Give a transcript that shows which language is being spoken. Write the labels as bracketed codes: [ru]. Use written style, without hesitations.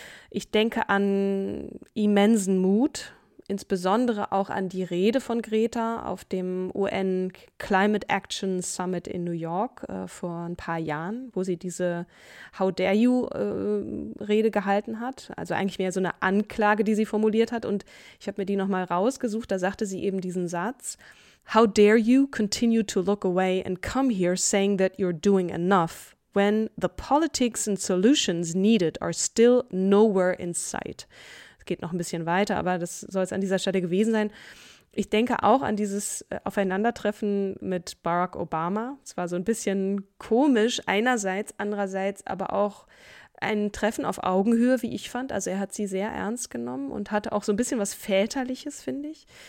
[de] Ich denke an immensen Mut, insbesondere auch an die Rede von Greta auf dem UN Climate Action Summit in New York vor ein paar Jahren, wo sie diese How dare you Rede gehalten hat. Also eigentlich mehr so eine Anklage, die sie formuliert hat. Und ich habe mir die nochmal rausgesucht. Da sagte sie eben diesen Satz: [en] How dare you continue to look away and come here saying that you're doing enough when the politics and solutions needed are still nowhere in sight. [de] Geht noch ein bisschen weiter, aber das soll es an dieser Stelle gewesen sein. Ich denke auch an dieses Aufeinandertreffen mit Barack Obama. Es war so ein bisschen komisch einerseits, andererseits aber auch ein Treffen auf Augenhöhe, wie ich fand. Also er hat sie sehr ernst genommen und hatte auch so ein bisschen was Väterliches, finde ich.